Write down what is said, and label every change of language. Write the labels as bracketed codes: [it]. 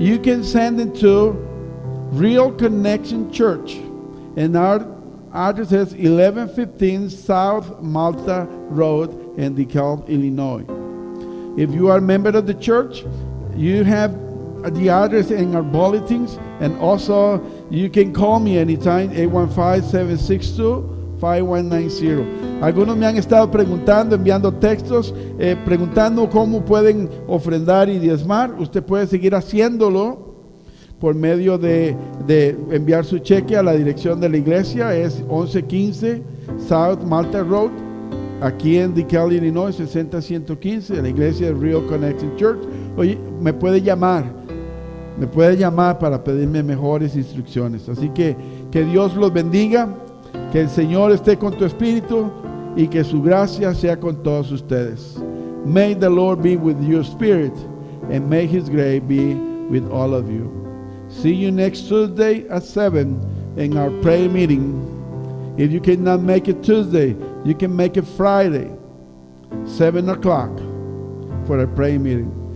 [en] You can send it to Real Connection Church, and our address is 1115 South Malta Road in DeKalb, Illinois. If you are a member of the church, you have the address in our bulletins, and also you can call me anytime, 815-762-5190. [es] Algunos me han estado preguntando, enviando textos, preguntando cómo pueden ofrendar y diezmar. Usted puede seguir haciéndolo por medio de enviar su cheque a la dirección de la iglesia. Es 1115 South Malta Road, aquí en DeKalb, Illinois, 60115, la iglesia de Real Connecting Church. Oye, me puede llamar para pedirme mejores instrucciones. Así que Dios los bendiga, que el Señor esté con tu espíritu, y que su gracia sea con todos ustedes. [en] May the Lord be with your spirit, and may His grace be with all of you. See you next Tuesday at 7 in our prayer meeting. If you cannot make it Tuesday, you can make it Friday, 7 o'clock, for a prayer meeting.